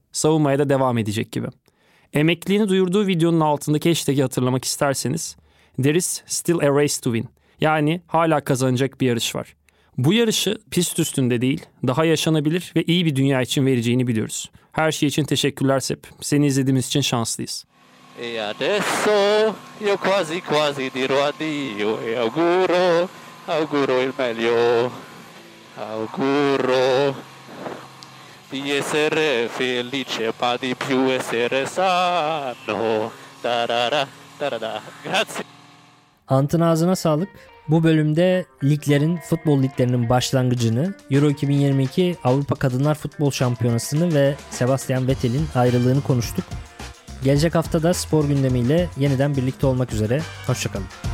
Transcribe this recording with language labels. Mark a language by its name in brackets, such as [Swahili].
[Turkish] Savunmaya da devam edecek gibi. Emekliliğini duyurduğu videonun altındaki hashtag'i hatırlamak isterseniz, [English] "There is still a race to win." [Turkish] Yani hala kazanacak bir yarış var. Bu yarışı pist üstünde değil, daha yaşanabilir ve iyi bir dünya için vereceğini biliyoruz. Her şey için teşekkürler Sepp. Seni izlediğimiz için şanslıyız. [Italian] E adesso io quasi quasi dirò addio e auguro, auguro il meglio, auguro di essere felice ma di più essere sano. Tarara, tarara. Grazie. [Turkish] Ant'ın ağzına sağlık. Bu bölümde liglerin, futbol liglerinin başlangıcını, Euro 2022 Avrupa Kadınlar Futbol Şampiyonası'nı ve Sebastian Vettel'in ayrılığını konuştuk. Gelecek hafta da spor gündemiyle yeniden birlikte olmak üzere. Hoşçakalın.